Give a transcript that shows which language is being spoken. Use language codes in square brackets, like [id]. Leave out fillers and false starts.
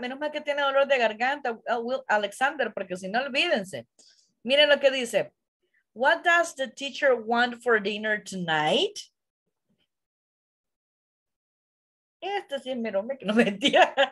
[es] Menos mal que tiene dolor de garganta, Alexander, porque si no, olvídense. Miren lo que dice. [en] What does the teacher want for dinner tonight? [es] Este sí es mero, que no me entiendo.